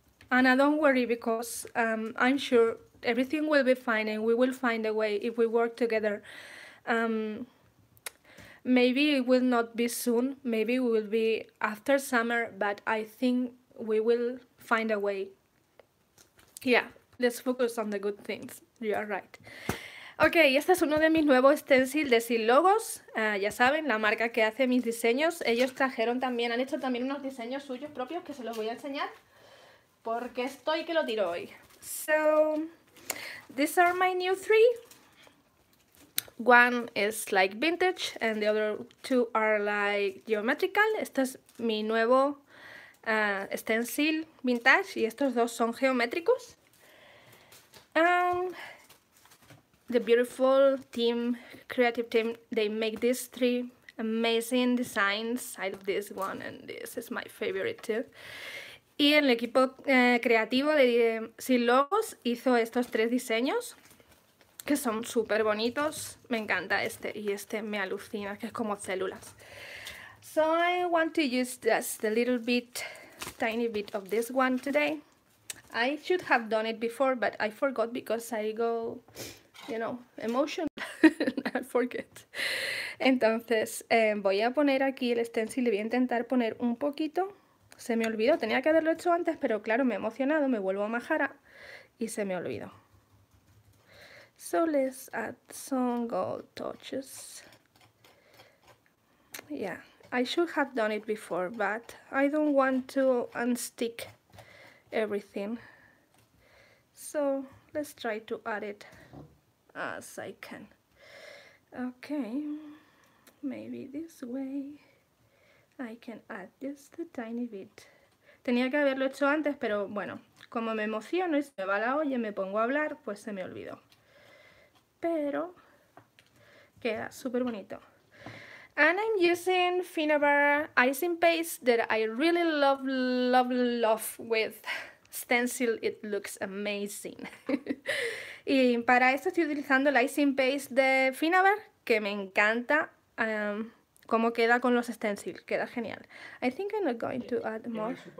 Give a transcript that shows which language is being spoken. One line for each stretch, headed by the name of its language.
English: Anna, don't worry, because I'm sure everything will be fine and we will find a way if we work together. Maybe it will not be soon, maybe it will be after summer, but I think we will find a way. Yeah, let's focus on the good things. You are right.
Spanish: Okay, este es uno de mis nuevos stencils de Seed Logos. Ya saben, la marca que hace mis diseños. Ellos trajeron también, han hecho también unos diseños suyos propios que se los voy a enseñar. Porque estoy que lo tiro hoy.
English: So, these are my new three. One is like vintage and the other two are like geometrical.
Spanish: Este es mi nuevo stencil vintage y estos dos son geométricos.
English: The beautiful team, creative team, they make these three amazing designs. I love this one and this is my favorite too.
Spanish: Y el equipo creativo de Sin Logos hizo estos tres diseños que son súper bonitos. Me encanta este y este me alucina, que es como células.
English: So I want to use just a little bit, tiny bit of this one today. I should have done it before, but I forgot because I go, you know, emotional. I forget.
Spanish: Entonces, voy a poner aquí el stencil y voy a intentar poner un poquito. Se me olvidó, tenía que haberlo hecho antes, pero claro, me he emocionado, me vuelvo a majara y se me olvidó.
English: So let's add some gold touches. Yeah, I should have done it before, but I don't want to unstick everything. So let's try to add it as I can. Okay, maybe this way. I can add just a tiny bit.
Spanish: Tenía que haberlo hecho antes, pero bueno, como me emociono y se me va la olla y me pongo a hablar, pues se me olvidó. Pero queda súper bonito.
English: And I'm using Finnabar icing paste that I really love, love, love with stencil. It looks amazing.
Spanish: Y para esto estoy utilizando el icing paste de Finnabar, que me encanta. Cómo queda con los stencils, queda genial.
English: I think I'm not going to add more.